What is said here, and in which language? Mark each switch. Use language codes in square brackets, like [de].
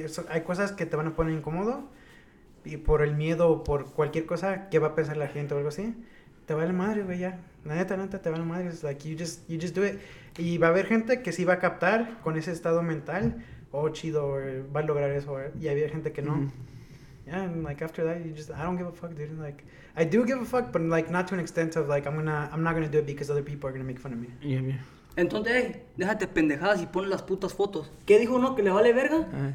[es] Hay cosas que te van a poner incómodo y por el miedo o por cualquier cosa que va a pensar la gente o algo así, te va la madre, güey, ya. La neta, te va la madre. [en] It's like, you just do it. [es] Y va a haber gente que sí va a captar con ese estado mental. Oh, chido, va a lograr eso, ¿eh? Y había gente que no. Mm-hmm. [en] Yeah, and like after that, I don't give a fuck, dude. Like, I do give a fuck, but like not to an extent of like I'm not gonna do it because other people are gonna make fun of me. Yeah, yeah. [es] Entonces, déjate pendejadas y pon las putas fotos. ¿Qué dijo uno que le vale verga?